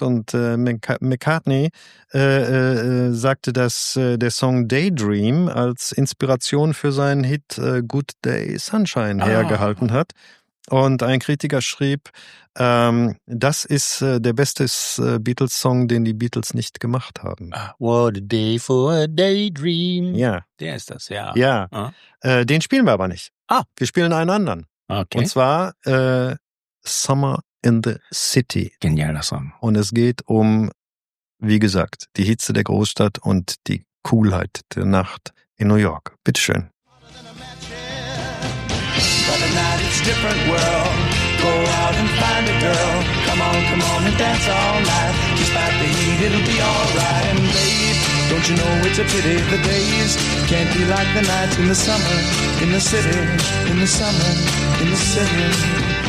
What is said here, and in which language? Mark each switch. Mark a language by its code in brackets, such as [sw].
[de] Und McCartney sagte, dass der Song Daydream als Inspiration für seinen Hit Good Day Sunshine hergehalten hat. Und ein Kritiker schrieb, das ist der beste Beatles-Song, den die Beatles nicht gemacht haben. [en] What a day for a daydream. [de] Ja. Der ist das, ja. Ja. Ja. Den spielen wir aber nicht. Ah. Wir spielen einen anderen. Okay. Und zwar Summer in the City. Genialer Song. Und es geht um, wie gesagt, die Hitze der Großstadt und die Coolheit der Nacht in New York. Bitteschön. [en] Different world, go out and find a girl, come on and dance all night, despite the heat it'll be alright, and babe, don't you know it's a pity the days can't be like the nights in the summer, in the city, in the summer, in the city.